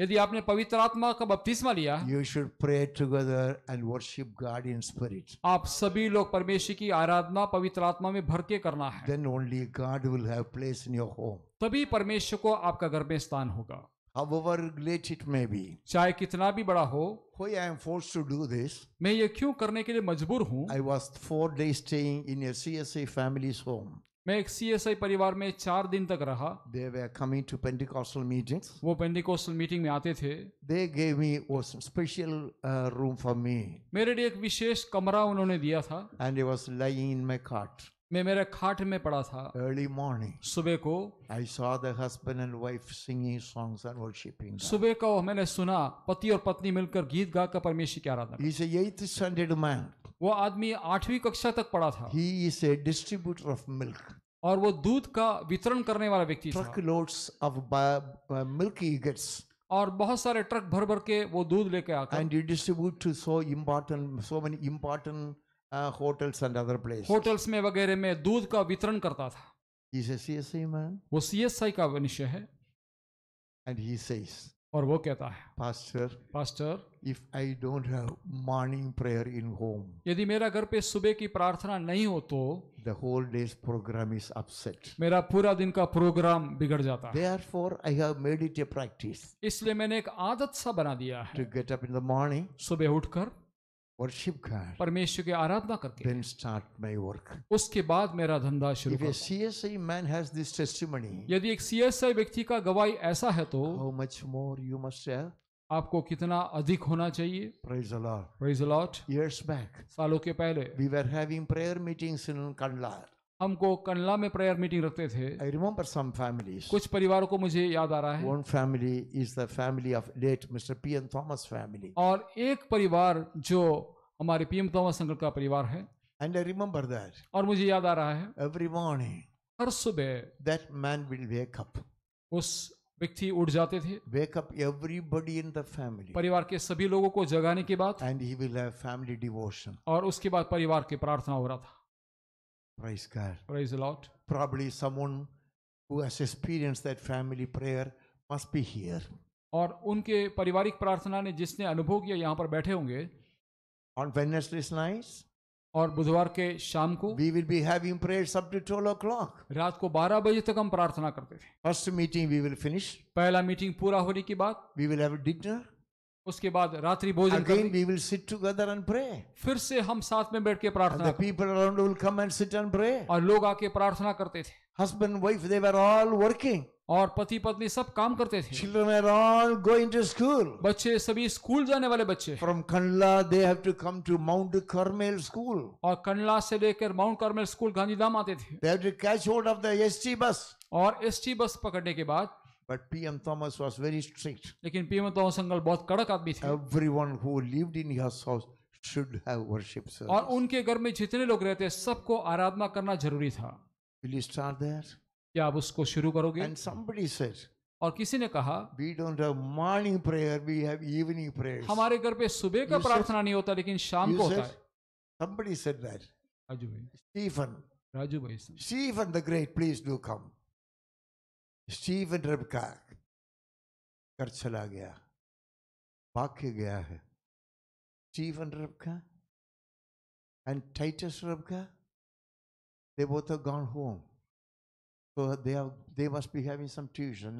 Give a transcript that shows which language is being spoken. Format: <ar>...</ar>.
<hi>यदि आपने पवित्र आत्मा का बपतिस्मा लिया,</hi> <en>You should pray together and worship God in spirit.</en> <hi>आप सभी लोग परमेश्वर की आराधना पवित्र आत्मा में भर के करना है।</hi> <en>Then only God will have place in your home.</en> <hi>तभी परमेश्वर को आपका घर में स्थान होगा।</hi> <en>However great it may be,</en> <hi>chahe kitna bhi bada ho,</hi> <en>why I am forced to do this?</en> <hi>Main ye kyun karne ke liye majboor hoon?</hi> <en>I was 4 days staying in a CSI family's home.</en> <hi>मैं एक CSI परिवार में 4 दिन तक रहा.</hi> <en>They were coming to Pentecostal meetings.</en> <hi>वो Pentecostal meeting में आते थे.</hi> <en>They gave me a special room for me.</en> <hi>मेरे लिए एक विशेष कमरा उन्होंने दिया था.</hi> <en>And I was lying in my cot.</en> <hi>मैं मेरे खाट में पड़ा था.</hi> <en>Early morning.</en> <hi>सुबह को.</hi> <en>I saw the husband and wife singing songs and worshiping.</en> <hi>सुबह को मैंने सुना पति और पत्नी मिलकर गीत गाकर परमेश्वर की आराधना.</hi> <en>He's a 8th standard man.</en> <hi>वो आदमी 8वीं कक्षा तक पढ़ा था.</hi> <en>He is a distributor of milk.</en> <hi>और वो दूध का वितरण करने वाला व्यक्ति था.</hi> <en>Truck loads of milk he gets.</en> <hi>और बहुत सारे ट्रक भर भर के वो दूध लेके आता.</hi> <en>And he distributes to so many important hotels and other places.</en> <hi>Hotels में वगैरह में दूध का वितरण करता था.</hi> <en>He is a CSI man.</en> <hi>वो CSI का मनुष्य है.</hi> <en>And he says.</en> <hi>और वो कहता है.</hi> <en>Pastor. Pastor. If I don't have morning prayer in home,</en> <hi>यदि मेरा घर पे सुबह की प्रार्थना नहीं हो तो,</hi> <en>the whole day's program is upset.</en> <hi>मेरा पूरा दिन का प्रोग्राम बिगड़ जाता है.</hi> <en>Therefore, I have made it a practice.</en> <hi>इसलिए मैंने एक आदत सा बना दिया है.</hi> <en>To get up in the morning,</en> <hi>सुबह उठकर,</hi> <en>worship God,</en> <hi>परमेश्वर की आराधना करके,</hi> <en>then start my work.</en> <hi>उसके बाद मेरा धंधा शुरू.</hi> <en>If a CSI man has this testimony,</en> <hi>यदि एक CSI व्यक्ति का गवाही ऐसा है तो,</hi> <en>how much more you must have.</en> <hi>आपको कितना अधिक होना चाहिए.</hi> <en>Praise the Lord. Praise the Lord. Years back,</en> <hi>सालों के पहले,</hi> <en>we were having prayer meetings in Kanlar.</en> <hi>हमको कनला में प्रेयर मीटिंग रखते थे.</hi> <en>I remember some families.</en> <hi>कुछ परिवारों को मुझे याद आ रहा है.</hi> <en>One family is the family of late Mr. P.N. Thomas family.</en> <hi>और एक परिवार जो हमारे P.N. Thomas अंकल का परिवार है.</hi> <en>And I remember that.</en> <hi>और मुझे याद आ रहा है.</hi> <en>Every morning,</en> <hi>हर सुबह,</hi> <en>that man will wake up.</en> <hi>उस व्यक्ति उठ जाते थे.</hi> <en>Wake up everybody in the family.</en> <hi>परिवार के सभी लोगों को जगाने के बाद.</hi> <en>And he will have family devotion.</en> <hi>और उसके बाद परिवार के प्रार्थना हो रहा था.</hi> <en>Praise God. Praise the Lord. Probably someone who has experienced that family prayer must be here.</en> <hi>और उनके पारिवारिक प्रार्थना ने जिसने अनुभव किया यहाँ पर बैठे होंगे.</hi> <en>On Wednesday's night.</en> <hi>और बुधवार के शाम को.</hi> <en>We will be having prayers up to 12 o'clock.</en> <hi>रात को 12 बजे तक हम प्रार्थना करते थे.</hi> <en>First meeting we will finish.</en> <hi>पहला मीटिंग पूरा होने के बाद.</hi> <en>We will have dinner.</en> <hi>उसके बाद रात्रि भोजन.</hi> <en>Again we will sit together and pray.</en> <hi>फिर से हम साथ में बैठ के प्रार्थना.</hi> <en>And the people around will come and sit and pray.</en> <hi>और लोग आके प्रार्थना करते थे.</hi> <en>Husband wife they were all working.</en> <hi>और पति पत्नी सब काम करते थे.</hi> <en>Children were all going to school.</en> <hi>बच्चे सभी स्कूल जाने वाले बच्चे.</hi> <en>From Kanla they have to come to Mount Carmel school.</en> <hi>और कनला से लेकर माउंट कार्मेल स्कूल गांधीधाम आते थे.</hi> <en>They have to catch hold of the ST bus.</en> <hi>और ST bus पकड़ने के बाद.</hi> <en>But P.M. Thomas was very strict.</en> <hi>लेकिन P.M. Thomas अंकल बहुत कड़क आदमी थे.</hi> <en>Everyone who lived in his house should have worship service.</en> <hi>और उनके घर में जितने लोग रहते सबको आराधना करना जरूरी था.</hi> <en>Will you start there?</en> <hi>क्या आप उसको शुरू करोगे?</hi> <en>And somebody said.</en> <hi>और किसी ने कहा.</hi> <en>We don't have morning prayer, we have evening prayers.</en> <hi>हमारे घर पे सुबह का प्रार्थना नहीं होता लेकिन शाम को होता है.</hi> <en>Somebody said that.</en> <hi>राजू भाई. Stephen. राजू भाई.</hi> <en>Stephen the great, please do come.</en> <hi>Stephen रबका घर चला गया, बाकी गया है.</hi> <en>Stephen Rabka and Titus Rabka they both have gone home, so they have they must be having some tuition.</en>